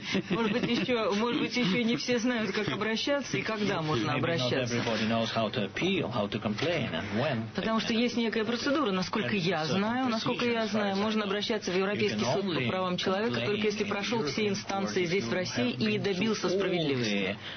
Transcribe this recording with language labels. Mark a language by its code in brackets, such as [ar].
[ru] Может быть, еще не все знают, как обращаться и когда можно обращаться. [en] Maybe not everybody knows how to appeal, how to complain. [ru] Потому что есть некая процедура, насколько я знаю, можно обращаться в Европейский суд по правам человека, только если прошел все инстанции здесь, в России, и не добился справедливости.